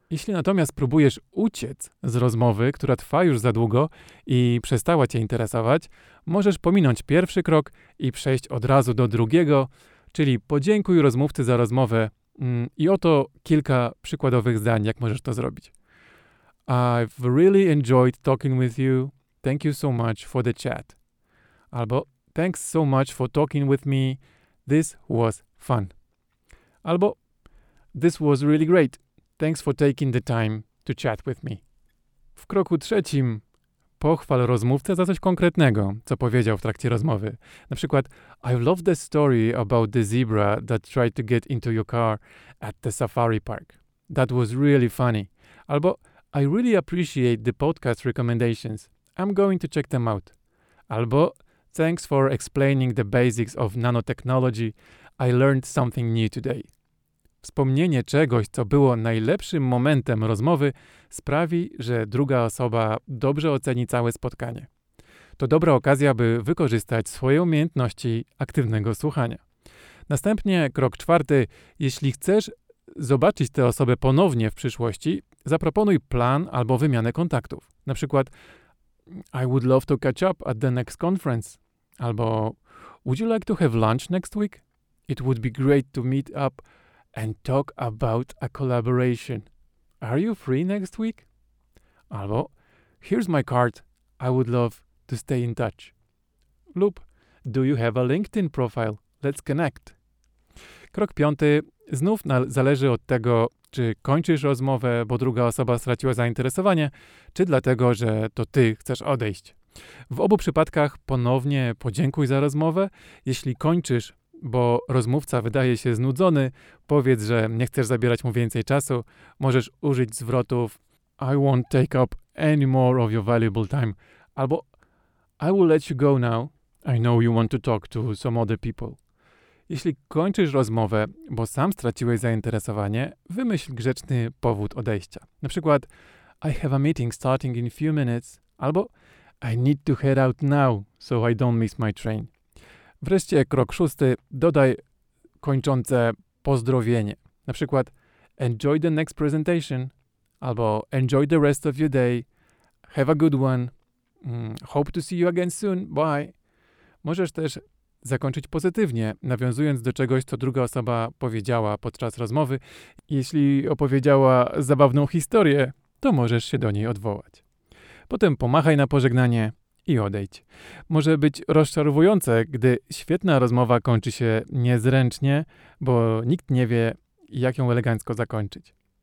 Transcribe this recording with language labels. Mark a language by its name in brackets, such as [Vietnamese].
[Polish] Jeśli natomiast próbujesz uciec z rozmowy, która trwa już za długo i przestała cię interesować, możesz pominąć pierwszy krok i przejść od razu do drugiego, czyli podziękuj rozmówcy za rozmowę. I oto kilka przykładowych zdań, jak możesz to zrobić. [English] "I've really enjoyed talking with you. Thank you so much for the chat." [Polish] Albo [English] "Thanks so much for talking with me. This was fun." [Polish] Albo [English] "This was really great. Thanks for taking the time to chat with me." [Polish] W kroku trzecim pochwal rozmówcę za coś konkretnego, co powiedział w trakcie rozmowy. Na przykład [English] "I love the story about the zebra that tried to get into your car at the safari park. That was really funny. [Polish] Albo [English] I really appreciate the podcast recommendations. I'm going to check them out. [Polish] Albo [English] thanks for explaining the basics of nanotechnology. I learned something new today. [Polish] Wspomnienie czegoś, co było najlepszym momentem rozmowy, sprawi, że druga osoba dobrze oceni całe spotkanie. To dobra okazja, by wykorzystać swoje umiejętności aktywnego słuchania. Następnie krok czwarty. Jeśli chcesz zobaczyć tę osobę ponownie w przyszłości, zaproponuj plan albo wymianę kontaktów. Na przykład [English] I would love to catch up at the next conference. [Polish] Albo [English] would you like to have lunch next week? It would be great to meet up and talk about a collaboration. Are you free next week? [Polish] Albo [English] here's my card. I would love to stay in touch. [Polish] Lub [English] do you have a LinkedIn profile? Let's connect. [Polish] Krok piąty znów zależy od tego, czy kończysz rozmowę, bo druga osoba straciła zainteresowanie, czy dlatego, że to ty chcesz odejść. W obu przypadkach ponownie podziękuj za rozmowę. Jeśli kończysz, bo rozmówca wydaje się znudzony, powiedz, że nie chcesz zabierać mu więcej czasu. Możesz użyć zwrotów [English] I won't take up any more of your valuable time. [Polish] Albo [English] I will let you go now. I know you want to talk to some other people. [Polish] Jeśli kończysz rozmowę, bo sam straciłeś zainteresowanie, wymyśl grzeczny powód odejścia. Na przykład [English] I have a meeting starting in few minutes. [Polish] Albo [English] I need to head out now, so I don't miss my train. [Polish] Wreszcie krok szósty, dodaj kończące pozdrowienie. Na przykład [English] enjoy the next presentation. [Polish] Albo [English] enjoy the rest of your day. Have a good one. Hope to see you again soon. Bye. [Polish] Możesz też zakończyć pozytywnie, nawiązując do czegoś, co druga osoba powiedziała podczas rozmowy. Jeśli opowiedziała zabawną historię, to możesz się do niej odwołać. Potem pomachaj na pożegnanie i odejdź. Może być rozczarowujące, gdy świetna rozmowa kończy się niezręcznie, bo nikt nie wie, jak ją elegancko zakończyć.